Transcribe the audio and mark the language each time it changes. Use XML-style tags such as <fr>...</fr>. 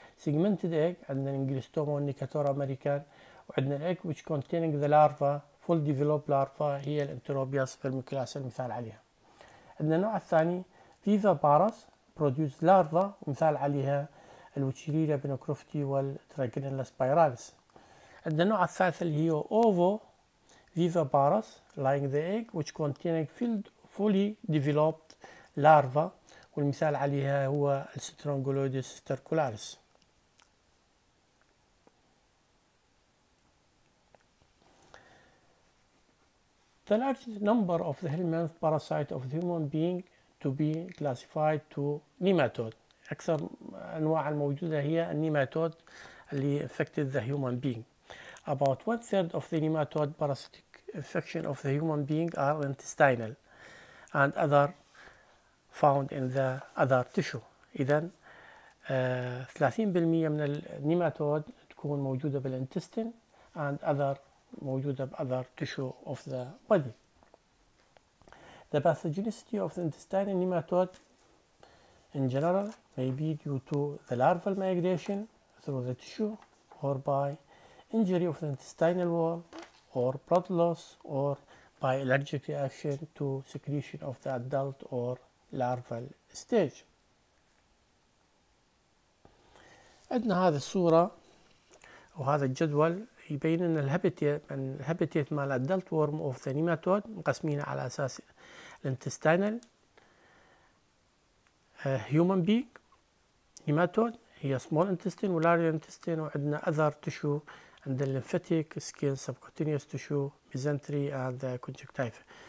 <en>segmented egg</en> <ar>عندنا الانجلستوما والنيكاتور امريكان، وعندنا الايج</ar> <en>which containing the larva full developed larva</en> <ar>هي الانتروبيس فيرميكلاس المثال عليها. عندنا النوع الثاني</ar> <en>viviparous produce larva</en> <ar>ومثال عليها الوتشيليا بنكروفتي والتراكينيلا سبايراليس. عندنا النوع الثالث اللي هي اوفو</ar> <en>viviparous, like the egg, which contain fully developed larva.</en> <ar>والمثال عليها هو Strongyloides stercularis.</ar> <en>The large number of the helminth parasites of the human being to be classified to nematode.</en> <ar>أكثر أنواع الموجودة هي النيماتود اللي</ar> <en>affected the human being. About one third of the nematode parasitic infection of the human being are intestinal and other found in the other tissue.</en> <ar>إذا 30% من النيماتود تكون موجودة بالانتستين</ar> <en>and other</en> <ar>موجودة بأذر</ar> <en>tissue of the body. The pathogenicity of the intestinal nematode in general may be due to the larval migration through the tissue or by injury of the intestinal wall or blood loss or by allergic reaction to secretion of the adult or larval stage. عندنا هذه الصورة وهذا الجدول يبين ان الهابيتيت مال الادلت ورم اوف ذا نيماتود مقسمين على اساس الانتستينال هيومن بيج نيماتود هي سمول انتستين ولارج انتستين وعندنا اذر تشو عند الليمفاتيك skin subcutaneous tissue mesentery and the connective.</en>